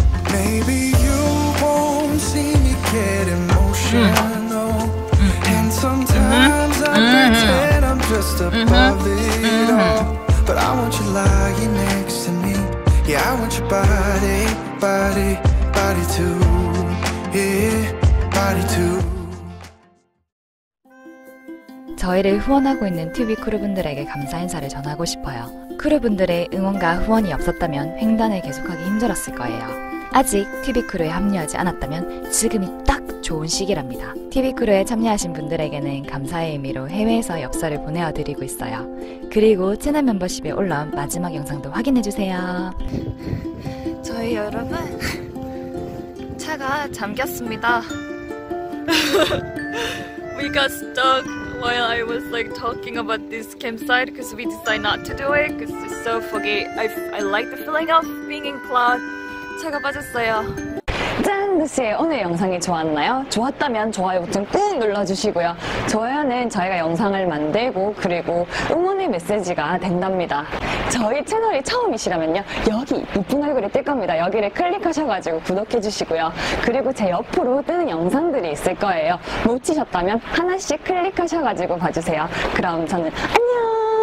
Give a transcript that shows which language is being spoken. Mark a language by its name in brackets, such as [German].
[English] Maybe you won't see me get emotional. And sometimes I pretend I'm just above it all. But I want you lying next to me. Yeah, I want your body, body, body too. Yeah, body too. [Korean] 저희를 후원하고 있는 튜비 크루분들에게 감사 인사를 전하고 싶어요. 크루분들의 응원과 후원이 없었다면 횡단을 계속하기 힘들었을 거예요. 아직 TV 크루에 합류하지 않았다면 지금이 딱 좋은 시기랍니다. TV 크루에 참여하신 분들에게는 감사의 의미로 해외에서 엽서를 보내드리고 있어요. 그리고 채널 멤버십에 올라온 마지막 영상도 확인해주세요. 저희 여러분, 차가 잠겼습니다. [English] We got stuck while I was like talking about this campsite because we decided not to do it because it's so foggy. I like the feeling of being in cloud. [Korean] 차가 빠졌어요. 짠! 혹시 오늘 영상이 좋았나요? 좋았다면 좋아요 버튼 꾹 눌러주시고요. 좋아요는 저희가 영상을 만들고 그리고 응원의 메시지가 된답니다. 저희 채널이 처음이시라면요. 여기 이쁜 얼굴이 뜰 겁니다. 여기를 클릭하셔가지고 구독해주시고요. 그리고 제 옆으로 뜨는 영상들이 있을 거예요. 놓치셨다면 하나씩 클릭하셔가지고 봐주세요. 그럼 저는 안녕!